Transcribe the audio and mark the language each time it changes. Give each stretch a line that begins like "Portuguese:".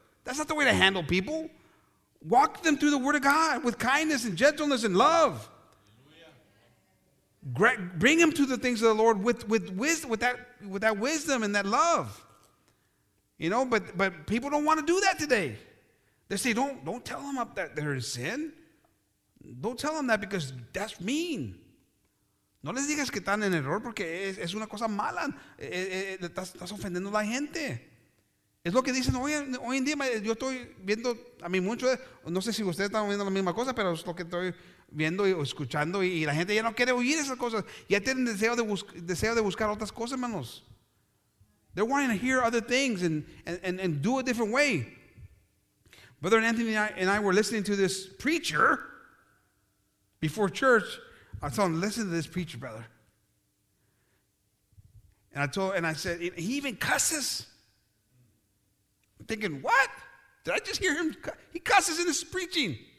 English: That's not the way to handle people. Walk them through the word of God with kindness and gentleness and love. Bring them to the things of the Lord with that wisdom and that love. You know, but people don't want to do that today. They say, don't tell them up that they're in sin. Don't tell them that because that's mean.
Spanish: No les digas que están en error porque es una cosa mala. Estás ofendiendo a la gente. Es lo que dicen hoy en día. Yo estoy viendo a mí mucho. No sé si ustedes están viendo la misma cosa, pero es lo que estoy viendo y escuchando. Y la gente ya no quiere oír esas cosas. Ya tienen deseo de buscar otras cosas, hermanos.
English: They're wanting to hear other things and do a different way. Brother Anthony and I were listening to this preacher before church. I told him, listen to this preacher, brother. And I said, he even cusses. Thinking, what? Did I just hear him? He cusses in his preaching.